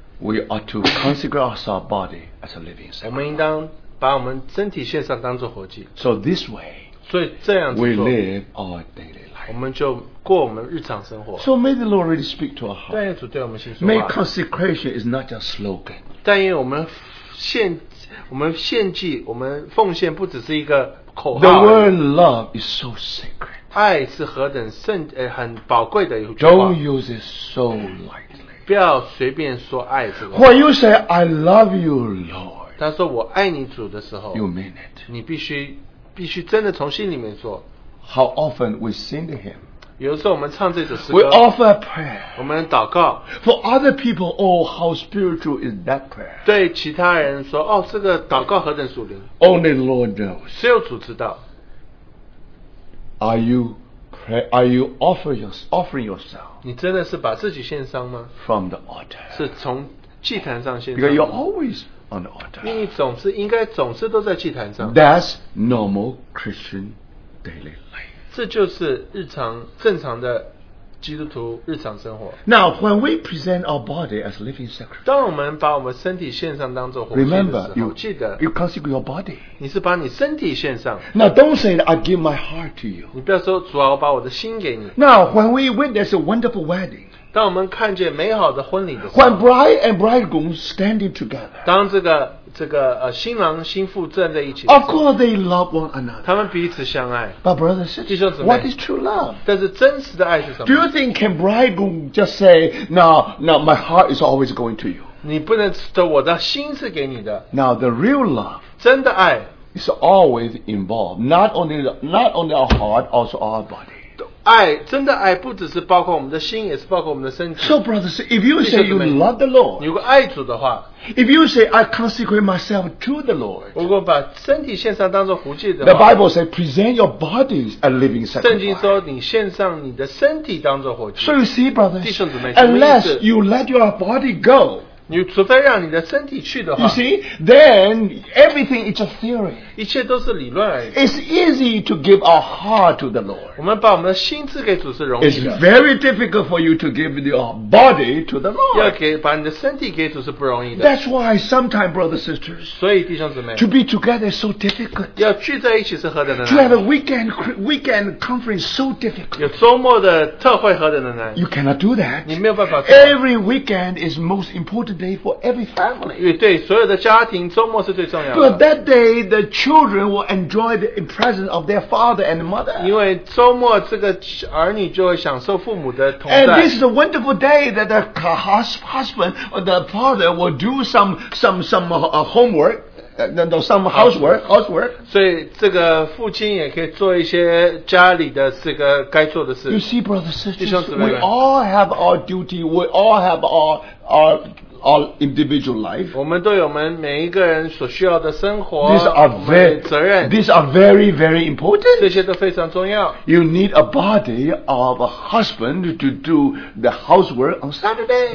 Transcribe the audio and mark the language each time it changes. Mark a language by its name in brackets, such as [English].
[English] we ought to consecrate our body as a living sacrifice. So this way, we live our daily life. So may the Lord really speak to our heart. May consecration is not just slogan. [Chinese] 但愿我们献祭，我们奉献不只是一个口号。 [English] The word love is so sacred. [Chinese] 爱是何等圣，很宝贵的一句话。 [English] Don't use it so lightly. [Chinese] 不要随便说爱这个话, [English] when you say I love you Lord, [Chinese] 他说我爱你主的时候, [English] you mean it. [Chinese] 你必须真的从心里面说, [English] how often we sing to him, [Chinese] 有时候我们唱这首诗歌, [English] we offer a prayer, [Chinese] 我们祷告, [English] for other people, oh how spiritual is that prayer, [Chinese] 对其他人说, 哦, 这个祷告何等属灵, [English] only the Lord knows, [Chinese] 只有主知道, [English] are you offering yourself? [Chinese] 你真的是把自己献上吗? [English] From the altar. [Chinese] 是从祭坛上献上吗? [English] Because you're always on the altar. [Chinese] 因为你总是应该总是都在祭坛上。 [English] That's normal Christian daily life. [Chinese] 这就是日常正常的基督徒日常生活。 [English] Now, when we present our body as living sacrifice, [Chinese] 当我们把我们身体献上当作活祭的时候, [English] remember, [Chinese] 记得, [English] you consecrate your body. [Chinese] 你是把你身体献上。 [English] Now, don't say that I give my heart to you. [Chinese] 你不要说, 主啊,我把我的心给你。 [English] Now, when we witness a wonderful wedding, [Chinese] 当我们看见美好的婚礼的时候, [English] when bride and bridegroom standing together, [Chinese] 当这个新郎新妇站在一起, [English] of course they love one another. [Chinese] 他们彼此相爱, [English] but brothers and sisters, [Chinese] 弟兄姊妹, [English] what is true love? [Chinese] 但是真实的爱是什么? [English] Do you think can bridegroom just say, now my heart is always going to you? [Chinese] 你不能说我的心是给你的, [English] now the real love, [Chinese] 真的爱, [English] is always involved, not only our heart, also our body. [Chinese] 爱, 真的爱不只是包括我们的心, 也是包括我们的身体。 [English] So brothers, if you say you love the Lord, [Chinese] 你如果爱主的话, [English] if you say I consecrate myself to the Lord, [Chinese] 如果把身体献上当作活祭的话, [English] the Bible says present your bodies a living sacrifice. [Chinese] 圣经说你献上你的身体当作活祭。 [English] So you see brothers, [Chinese] 弟兄姊妹, [English] unless you let your body go, [Chinese] 除非让你的身体去的话, [English] you see, then everything is a theory. [Chinese] 一切都是理论而已。 [English] It's easy to give our heart to the Lord. [Chinese] 我们把我们的心赐给主是容易的。 [English] It's very difficult for you to give your body to the Lord. [Chinese] 要给把你的身体给主是不容易的。 [English] That's why sometimes, brothers and sisters, [Chinese] 所以弟兄姊妹, [English] to be together is so difficult. [Chinese] 要聚在一起是何等的难。 [English] To have a weekend conference so difficult. [Chinese] 有周末的特会何等的难。 [English] You cannot do that. [Chinese] 你没有办法。 [English] Every weekend is most important. Day for every family. [Chinese] 对所有的家庭，周末是最重要的。 [English] But that day, the children will enjoy the presence of their father and mother. [Chinese] 因为周末这个儿女就会享受父母的同在。 [English] And this is a wonderful day that the husband or the father will do some homework. Some housework. [Chinese] 所以这个父亲也可以做一些家里的这个该做的事。 [English] You see, brothers and sisters, we all have our duty. We all have our individual life. [Chinese] 我们都有我们每一个人所需要的生活。 [English] These are very [Chinese] 责任。 [English] These are very very important. [Chinese] 这些都非常重要。 [English] You need a body of a husband to do the housework on Saturday.